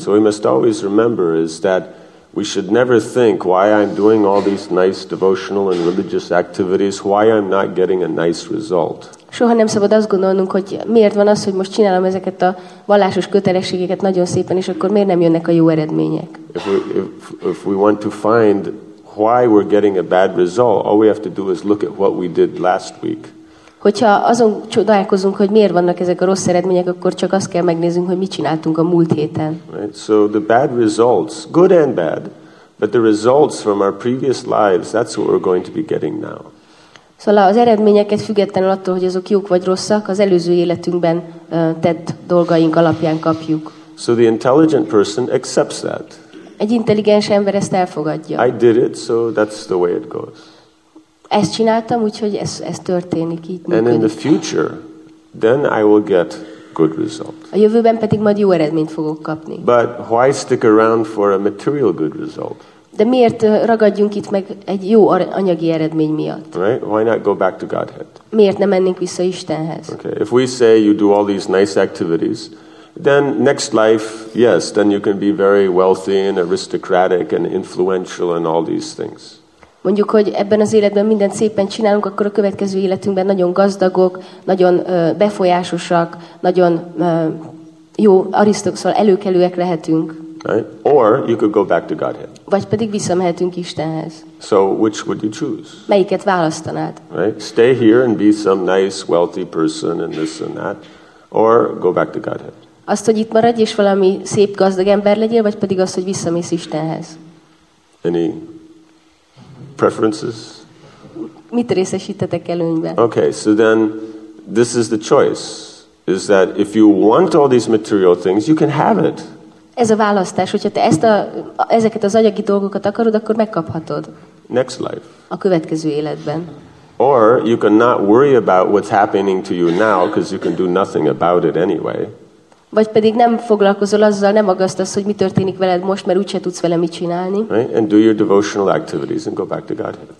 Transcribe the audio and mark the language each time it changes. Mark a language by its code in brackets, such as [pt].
[en] So we must always remember is that we should never think why I'm doing all these nice devotional and religious activities, why I'm not getting a nice result. [hu] Soha nem szabad azt gondolnunk, hogy miért van az, hogy most csinálom ezeket a vallásos kötelességeket nagyon szépen, és akkor miért nem jönnek a jó eredmények. [en] If we want to find why we're getting a bad result, all we have to do is look at what we did last week. [hu] Hogyha azon csodálkozunk, hogy miért vannak ezek a rossz eredmények, akkor csak azt kell megnézünk, hogy mit csináltunk a múlt héten. [en] Right? So the bad results, good and bad, but the results from our previous lives, that's what we're going to be getting now. [hu] Szóval az eredményeket függetlenül attól, hogy azok jók vagy rosszak, az előző életünkben tett dolgaink alapján kapjuk. [en] So the intelligent person accepts that. [hu] Egy intelligens ember ezt elfogadja. [en] I did it, so that's the way it goes. [hu] Ezt csináltam, úgyhogy ez történik, így működik. [en] And in the future, then I will get good results. [hu] A jövőben pedig majd jó eredményt fogok kapni. [en] But why stick around for a material good result? [hu] De miért ragadjunk itt meg egy jó anyagi eredmény miatt? [en] Right? Why not go back to Godhead? [hu] Miért nem mennénk vissza Istenhez? [en] Okay. If we say you do all these nice activities, then next life, yes, then you can be very wealthy and aristocratic and influential and all these things. [hu] Mondjuk, hogy ebben az életben mindent szépen csinálunk, akkor a következő életünkben nagyon gazdagok, nagyon befolyásosak, nagyon jó arisztok, szóval előkelőek lehetünk. [en] Right? Or you could go back to Godhead. [hu] Vagy pedig visszamehetünk Istenhez. [en] So which would you choose? [hu] Melyiket választanád? [en] Right? Stay here and be some nice wealthy person and this and that, or go back to Godhead. [hu] Azt, hogy itt maradj és valami szép gazdag ember legyél, vagy pedig azt, hogy visszamész Istenhez. [en] Any preferences? [hu] Mit részesítetek előnyben? [en] Okay, so then this is the choice, is that if you want all these material things, you can have it. [hu] Ez a választás, hogyha te ezeket az anyagi dolgokat akarod, akkor megkaphatod. [en] Next life. [hu] A következő életben. [en] Or you can not worry about what's happening to you now, because you can do nothing about it anyway. [hu] Vagy pedig nem foglalkozol azzal, nem aggasztasz, hogy mi történik veled most, mert úgyse tudsz vele mit csinálni. [en] Right? And do your devotional activities and go back to Godhead.